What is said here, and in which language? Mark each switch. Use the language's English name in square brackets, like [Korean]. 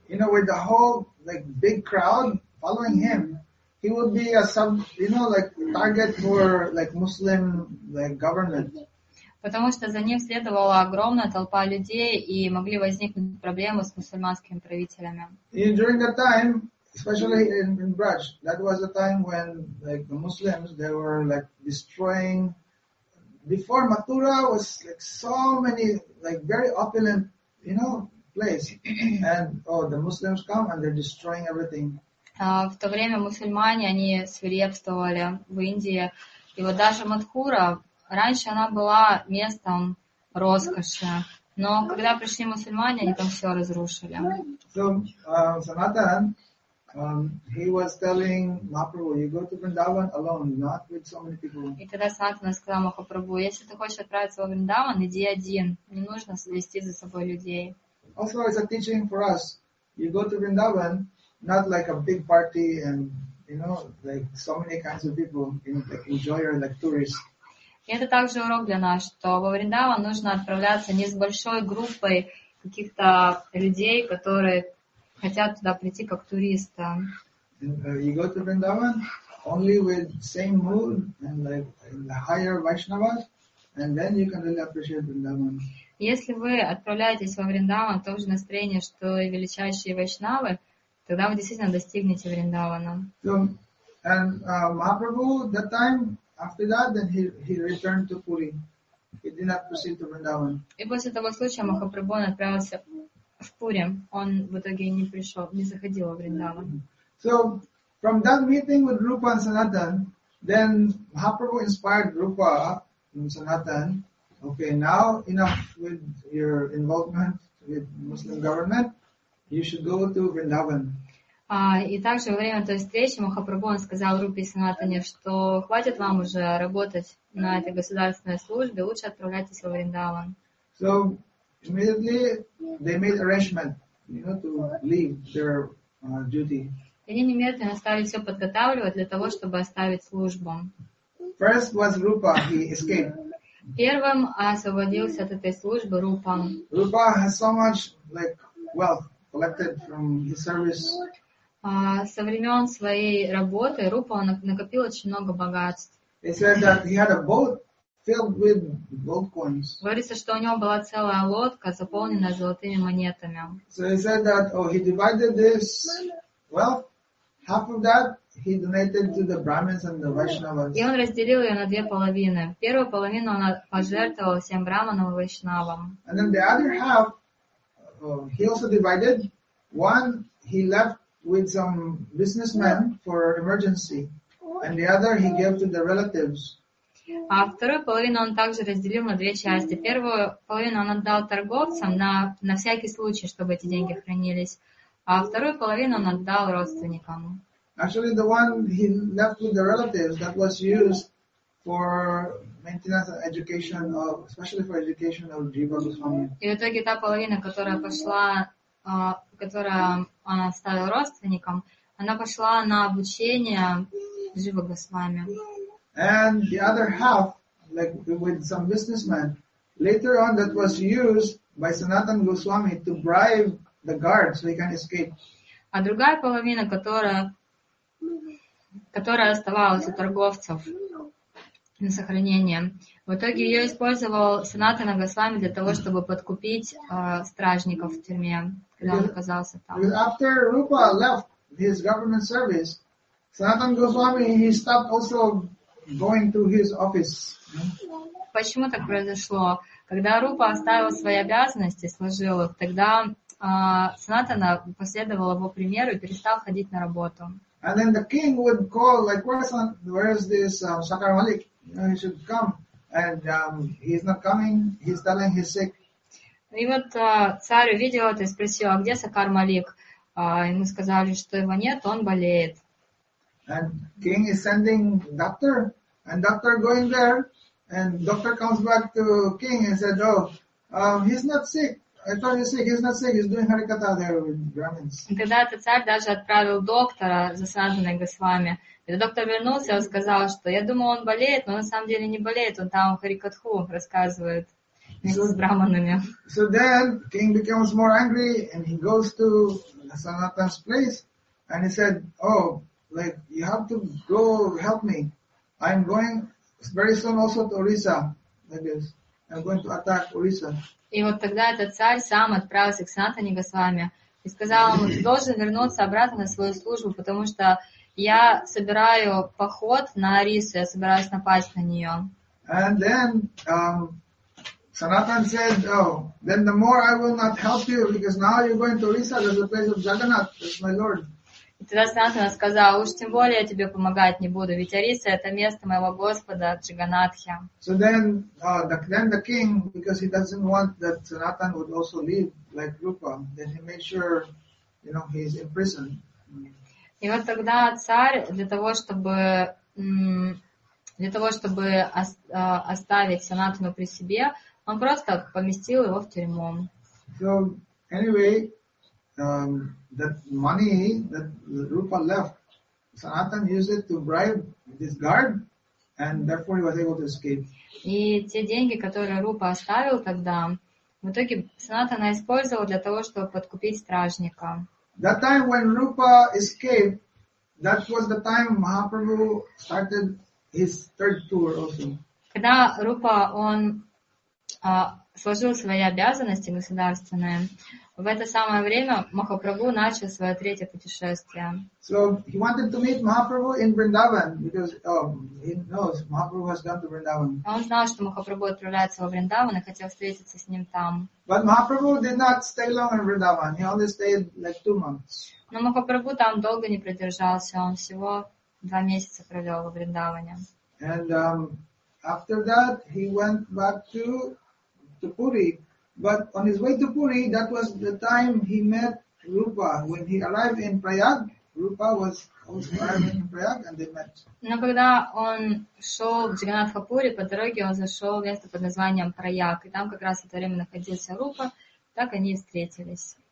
[English] You know, with the whole like big crowd following him, he would be a sub, you know, like target for like Muslim like government. [Russian] Потому что за ним следовала огромная толпа людей, и могли возникнуть проблемы с мусульманскими правителями. [English] And during that time, especially in Braj, that was the time when like the Muslims they were like destroying. Before Mathura was like so many like very opulent, you know, place, and oh, the Muslims come and they're destroying everything. [Russian] В то время мусульмане они свирепствовали в Индии, и вот даже Мадхура раньше она была местом роскоши, но когда пришли мусульмане, они там все разрушили. [English] So Sanatan, he was telling Mahaprabhu, you go to Vrindavan alone, not with so many people. [Russian] И тогда Санатана сказал Махапрабху, если ты хочешь отправиться в Вриндаван, иди один, не нужно вести за собой людей. [English] Also, it's a teaching for us. You go to Vrindavan, not like a big party and you know, like so many kinds of people, you know, like enjoyer, like tourists. [Russian] И это также урок для нас, что во Вриндаван нужно отправляться не с большой группой каких-то людей, которые хотят туда прийти как туриста. [English] You go to Vrindavan only with same mood and like in the higher Vaishnavas, and then you can really appreciate Vrindavan. [Russian] Если вы отправляетесь во Вриндаван в том же настроении, что и величайшие Вайшнавы, тогда вы действительно достигнете Вриндавана. [English] So, and Mahaprabhu that time, after that, then he returned to Puri. He did not proceed to Vrindavan. [Russian] И после того случая Махапрабху отправился в Пури. Он в итоге не пришел, не заходил во Вриндаван. [English] So, from that meeting with Rupa and Sanatan, then Mahaprabhu inspired Rupa and Sanatan. Okay, now enough with your involvement with Muslim government. You should go to Vrindavan. [Russian] И также во время той встречи Махапрабху сказал Рупе и Санатане, что хватит вам уже работать на этой государственной службе, лучше отправляйтесь во Вриндаван. [English] So immediately they made arrangement, you know, to leave their duty. [Russian] Они немедленно стали все подготавливать для того, чтобы оставить службу. [English] First was Rupa, he escaped. [Russian] Первым освободился от этой службы Рупа. [English] Rupa has so much like wealth collected from his service. [Russian] Со времен своей работы Рупа накопил очень много богатств. [English] It says that he had a boat filled with gold coins. [Russian] Говорится, что у него была целая лодка, заполненная золотыми монетами. [English] So he said that, oh, he divided this wealth, half of that he donated to the Brahmins and the Vaishnavas. [Russian] И он разделил ее на две половины. Первую половину он пожертвовал всем Брахманам и Вайшнавам. [English] And then the other half, he also divided. One, he left with some businessmen for emergency, and the other he gave to the relatives. [Russian] А вторую половину он также разделил на две части. Первую половину он отдал торговцам на всякий случай, чтобы эти деньги хранились. А вторую половину он отдал родственникам. [English] Actually, the one he left with the relatives that was used for maintenance and education of, especially for education of Jiva Goswami. [Russian] И в итоге та половина, которая пошла, которая он оставил родственникам, она пошла на обучение Джива Госвами. [English] And the other half, like with some businessmen, later on that was used by Sanatan Goswami to bribe the guards so he can escape. [Russian] А другая половина, которая оставалась у торговцев на сохранение, в итоге ее использовал Санатана Госвами для того, чтобы подкупить стражников в тюрьме, когда он оказался там. [English] After Rupa left his government service, Sanatana Goswami he stopped also going to his office. [Russian] Почему так произошло? Когда Рупа оставил свои обязанности, сложил их, тогда Санатана последовал его примеру и перестал ходить на работу. [English] And then the king would call, like, where is this Shakar Malik? You know, he should come. And he's not coming. He's telling he's sick. [Russian] И вот царь увидел это и спросил, а где Шакар Малик? Ему сказали, что его нет, он болеет. [English] And king is sending doctor. And doctor going there. And doctor comes back to king and said, oh, he's not sick. I thought he's sick. He's not sick. He's doing harikata there with Brahmins. [Russian] Тогда этот царь даже отправил доктора за Санатаной Госвами. И доктор вернулся, он сказал, что я думал, он болеет, но на самом деле не болеет, он там Харикатху рассказывает вместе с браманами. [English] So then king becomes more angry and he goes to Sanatana's place and he said, oh, like you have to go help me. I'm going very soon also to Orissa, I guess. I'm going to attack Orissa. [Russian] И вот тогда этот царь сам отправился к Санатане Госвами и сказал ему, ты должен вернуться обратно на свою службу, потому что я собираю поход на Орису, я собираюсь напасть на нее. [English] And then Sanatan said, oh, then the more I will not help you, because now you're going to Orissa, there's a place of Jagannath, that's my lord. [Russian] И тогда Санатана сказал, уж тем более я тебе помогать не буду, ведь Ориса — это место моего Господа Джаганатхи. [English] So then, then the king, because he doesn't want that Sanatana would also leave like Rupa, then he made sure, you know, he's in prison. [Russian] И вот тогда царь для того, чтобы оставить Санатану при себе, он просто поместил его в тюрьму. [English] So anyway, that money that Rupa left, Sanatan used it to bribe this guard, and therefore he was able to escape. [Russian] И те деньги, которые Рупа оставил тогда, в итоге Санатана использовал для того, чтобы подкупить стражника. [English] That time when Rupa escaped, that was the time Mahaprabhu started his third tour also. [Russian] Когда Рупа сложил свои обязанности государственные, в это самое время Махапрабху начал свое третье путешествие. [English] So he wanted to meet Mahaprabhu in Vrindavan because he knows Mahaprabhu has gone to Vrindavan. [Russian] Он знал, что Махапрабху отправляется во Вриндаван и хотел встретиться с ним там. [English] But Mahaprabhu did not stay long in Vrindavan. He only stayed like 2 months. [Russian] Но Махапрабху там долго не продержался. Он всего 2 месяца провел во Вриндаване. [English] And after that he went back to Puri. But on his way to Puri, that was the time he met Rupa. When he arrived in Prayag, Rupa was also arriving in Prayag, and they met. [Russian] Но когда он шел в Джаганатхапури по дороге, он зашел в место под названием Прайаг, и там как раз в это время находился Рупа, так они и встретились.